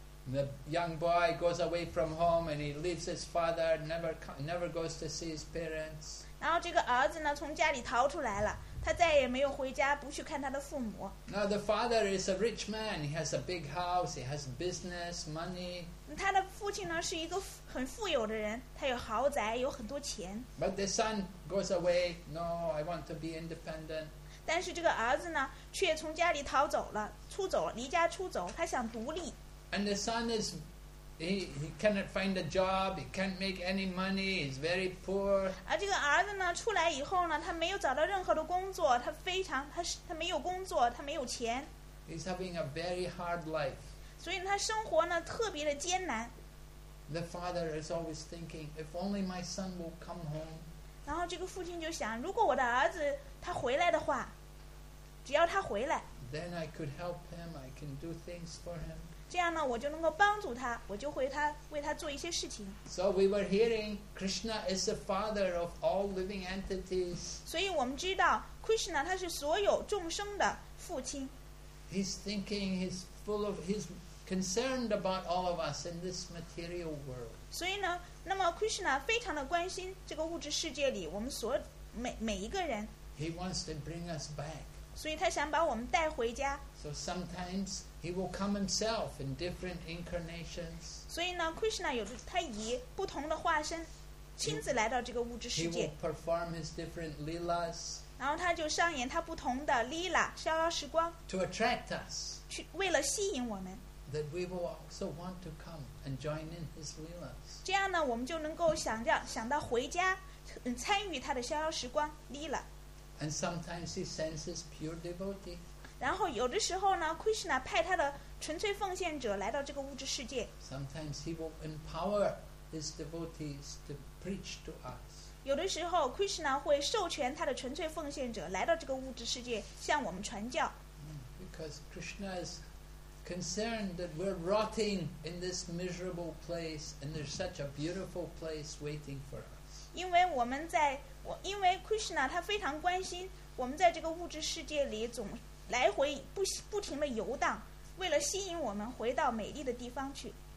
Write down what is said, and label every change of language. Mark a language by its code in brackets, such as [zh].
[en] The young boy goes away from home and he leaves his father, never goes to see his parents. [zh] 然后这个儿子呢, 从家里逃出来了, [en] now the father is a rich man, he has a big house, he has business, money. [zh] 他的父亲呢, 是一个很富有的人, 他有豪宅, 有很多钱。 [en] But the son goes away, no, I want to be independent. [zh] 但是这个儿子呢, 却从家里逃走了, 出走了, 离家出走, 他想独立。 [en] And the son is, he cannot find a job, he can't make any money, he's very poor. [zh] 而这个儿子呢, 出来以后呢, 他没有找到任何的工作, 他非常, 他没有工作, 他没有钱。 [en] He's having a very hard life. [zh] 所以他生活呢, 特别的艰难。 [en] The father is always thinking, if only my son will come home. [zh] 然后这个父亲就想, 如果我的儿子, 他回来的话, 只要他回来, [en] then I could help him, I can do things for him. [zh] 这样呢, 我就能够帮助他, 我就会他, 为他做一些事情。 [en] So we were hearing Krishna is the father of all living entities. [zh] 所以我们知道, Krishna 他是所有众生的父亲。 [en] He's thinking, he's full of, he's concerned about all of us in this material world. [zh] 所以呢, 那么 Krishna 非常的关心这个物质世界里, 我们所每一个人。 [en] He wants to bring us back. [zh] 所以他想把我们带回家。 [en] So sometimes he will come himself in different incarnations. [zh] 所以呢, Krishna 有他以不同的化身, 亲自来到这个物质世界。 [en] He will perform his different lilas. [zh] 然后他就上演他不同的lila, 逍遥时光, [en] to attract us. [zh] 去, 为了吸引我们, [en] that we will also want to come and join in his lilas. [zh] 这样呢, 我们就能够想到, 想到回家, 参与他的逍遥时光, lila. [en] And sometimes he sends his pure devotee. [zh] 然后有的时候呢, Krishna 派他的纯粹奉献者来到这个物质世界。 [en] Sometimes he will empower his devotees to preach to us. [zh] 有的时候, Krishna 会授权他的纯粹奉献者来到这个物质世界, 向我们传教。 [en] Because Krishna is concerned that we're rotting in this miserable place, and there's such a beautiful place waiting for us. [zh] 因为我们在, 因为 Krishna 他非常关心我们在这个物质世界里总 来回不停地游荡, 为了吸引我们回到美丽的地方去。